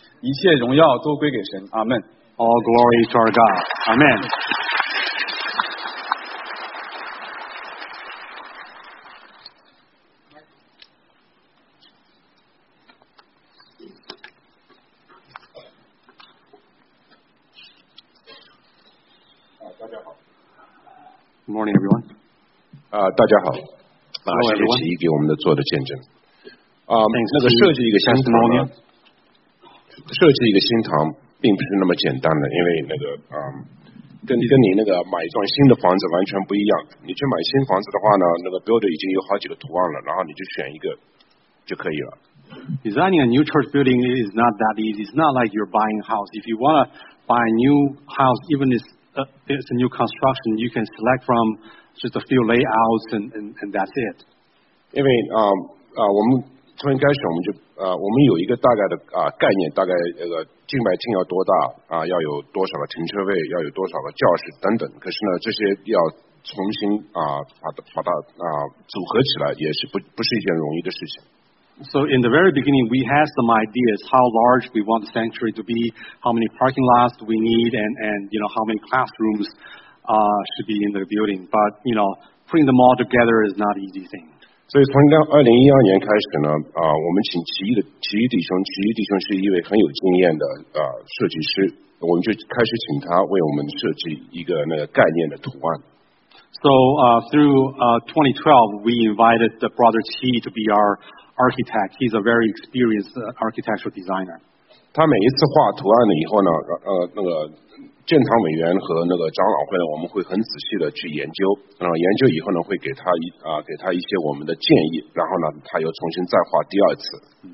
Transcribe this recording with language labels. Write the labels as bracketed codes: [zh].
[zh] 一切荣耀都归给神，阿门。 [en] All glory to our God. Amen. Good morning, everyone. [zh] 大家好。啊，谢谢奇给我们的做的见证。 [en] Thanks, [zh] 那个设计一个新堂呢？设计一个新堂并不是那么简单的，因为那个跟你那个买一幢新的房子完全不一样。你去买新房子的话呢，那个 builder 已经有好几个图案了，然后你就选一个就可以了。 [en] Designing a new church building is not that easy. It's not like you're buying a house. If you want to buy a new house, even if it's a new construction, you can select from just a few layouts and that's it. [zh] 因为我们从开始我们就我们有一个大概的概念，大概那个近百厅要多大要有多少个停车位，要有多少个教室等等。可是呢，这些要重新把它组合起来，也是不是一件容易的事情。 [en] So in the very beginning, we had some ideas how large we want the sanctuary to be, how many parking lots we need, and you know, how many classrooms should be in the building. But you know, putting them all together is not an easy thing. So from [zh] 2012年开始呢，我们请奇一弟兄是一位很有经验的设计师，我们就开始请他为我们设计一个那个概念的图案。 [en] So through 2012, we invited the brother Qi to be our architect. He's a very experienced architectural designer. [zh] 他每一次画图案了以后呢，那个建堂委员和那个长老会呢，我们会很仔细的去研究，然后研究以后呢，会给他给他一些我们的建议，然后呢，他又重新再画第二次。